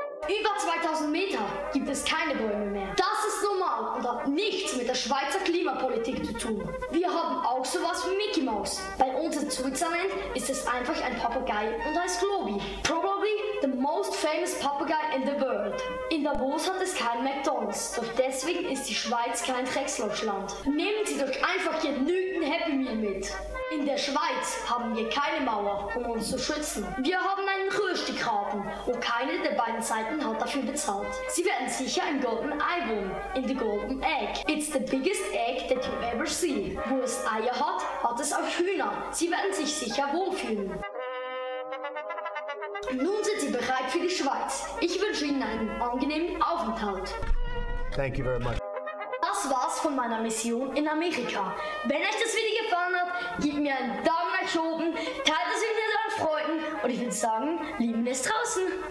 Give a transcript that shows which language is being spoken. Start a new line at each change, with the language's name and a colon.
German: Über 2000 Meter gibt es keine Bäume mehr. Das ist normal und hat nichts mit der Schweizer Klimapolitik zu tun. Wir haben auch sowas wie Mickey Mouse. Bei uns in Switzerland ist es einfach ein Papagei und heißt Globi.
English: Probably the most famous Papagei in the world.
German: In Davos hat es kein McDonald's, doch deswegen ist die Schweiz kein Kreislaufland. Nehmen Sie doch einfach genügend Happy Meal mit. In der Schweiz haben wir keine Mauer, um uns zu schützen. Wir haben einen Rührstichgraben und keine der beiden Seiten hat dafür bezahlt. Sie werden sicher im Golden Ei wohnen,
English: in the Golden Egg. It's the biggest egg that you ever see.
German: Wo es Eier hat, hat es auch Hühner. Sie werden sich sicher wohlfühlen. Nun sind Sie bereit für die Schweiz. Ich wünsche Ihnen einen angenehmen Aufenthalt.
English: Thank you very much.
German: Das war's von meiner Mission in Amerika. Wenn euch das Video gefallen hat, gebt mir einen Daumen nach oben, teilt das Video mit euren Freunden und ich würde sagen, lieben ist draußen.